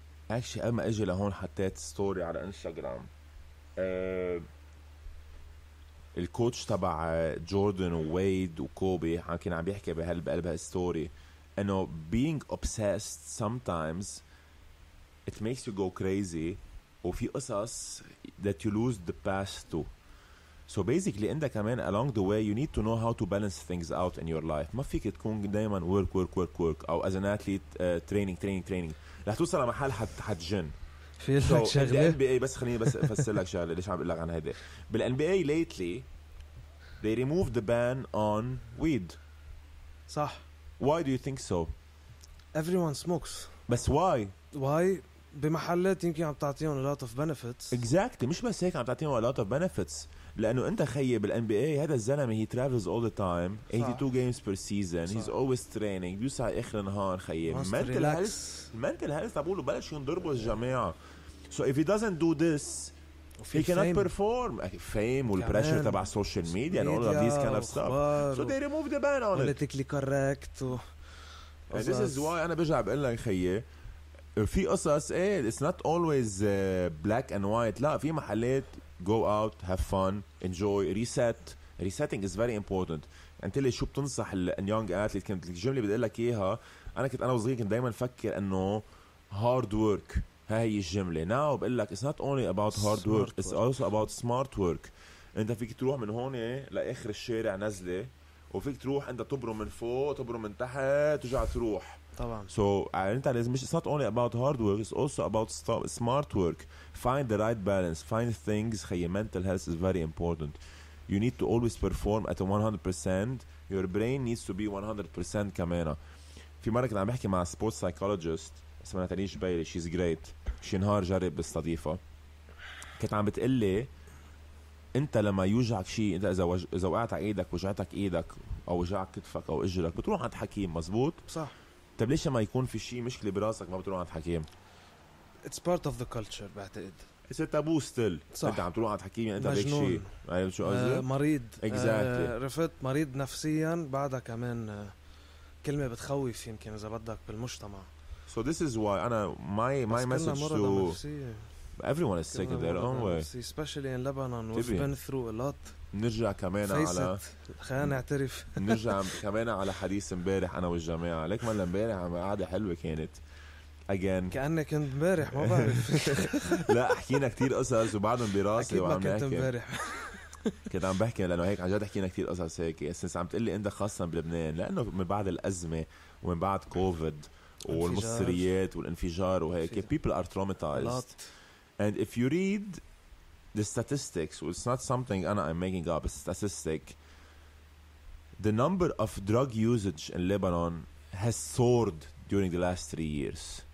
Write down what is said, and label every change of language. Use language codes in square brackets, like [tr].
[ar] اكشلي قبل ما اجي لهون حطيت ستوري على انستغرام الكوتش تبع جوردن وويد وكوبي كان عم بيحكي بقلبها ستوري انه [en] being obsessed sometimes it makes you go crazy [ar] وفي قصص [en] that you lose the past to. So basically [ar] انت كمان [en] along the way you need to know how to balance things out in your life. [ar] ما فيك تكون دايما [en] work work work work او as an athlete training training training [ar] رح توصل لمحل حتجن. في لك شغلة NBA بس خليني بس افسر لك شغلة ليش عم بقول لك عن هذا بال NBA [en] lately they removed the ban on weed. [ar] صح. [en] Why do you think so? Everyone smokes. بس why? Why? [ar] بمحلات يمكن عم تعطيهم [en] a lot of benefits. Exactly. [ar] مش بس هيك عم تعطيهم [en] a lot of benefits. [ar] لأنه أنت خيّب بالـ NBA هذا الزلمة [en] he travels all the time. 82 games per season. [ar] صح. [en] He's always training. [ar] بيوسع آخر النهار خيّب. [en] Mental health. Mental health [ar] تبقوله بلاش ينضربوا الجماعة. [en] So if he doesn't do this he cannot fame. Perform. Fame والpressure تبع social media and all of these kind of stuff. So they remove the ban on it. Politically correct. And this is why [ar] أنا برجع بقول لك خيي في قصص إيه [en] it's not always black and white. [ar] لا في محلات [en] go out, have fun, enjoy, reset. Resetting is very important. [ar] أنت اللي شو بتنصح ال [en] young athlete [ar] كانت الجملة بدي لك إياها أنا كنت أنا وصغير كنت دائما فكر إنه [en] hard work [ar] هاي هي الجملة. [en] Now [ar] بقول لك [en] it's not only about hard work, it's also about smart work. [ar] أنت فيك تروح من هون لآخر الشارع نزلة وفيك تروح أنت تبرم من فوق تبرم من تحت ترجع تروح. طبعاً. [en] So [ar] أنت لازم مش [en] it's not only about hard work, it's also about smart work. Find the right balance. Find things. خيي mental health is very important. You need to always perform at 100%. Your brain needs to be 100% [ar] كمان. في مرة كنت عم بحكي مع [en] sports psychologist. [ar] اسمها تاني جبيري [en] she's great [ar] شي نهار جرب بالصديفة كنت عم بتقلي انت لما يوجعك شي انت اذا وقعت على ايدك وجعتك ايدك او وجعك كتفك او اجرك بتروح عند حكيم مزبوط صح طب ليش ما يكون في شي مشكلة براسك ما بتروح عند حكيم [en] it's part of the culture [ar] بعتقد [en] it's a taboo still [ar] صح. انت عم تروح عند حكيم يعني انت بيك شي مجنون شو مريض [en] exactly. [ar] رفت مريض نفسيا بعدها كمان كلمة بتخوف يمكن اذا بدك بالمجتمع [en] So this is why [ar] أنا [en] my message to everyone is sick in their own way. Especially in Lebanon, we've been through a lot. [ar] نرجع كمان على خلينا نعترف. نرجع كمان على حديث مبارح أنا والجماعة. لك ما لمبارح عم قاعدة حلوة كانت. Again. كأنك كنت مبارح ما بعرف. لا حكينا كتير قصص وبعدهم براسي وعم نحكي. كنت مبارح. كنت عم بحكي لأنه هيك عن جد حكينا كتير قصص هيك. بس عم تقولي أنت خاصة بلبنان لأنه من بعد الأزمة ومن بعد كوفيد. والمصريات والانفجار وهيك [en] people are traumatized and if you read the statistics well, it's not something I'm making up it's a statistic the number of drug usage in Lebanon has soared during the last 3 years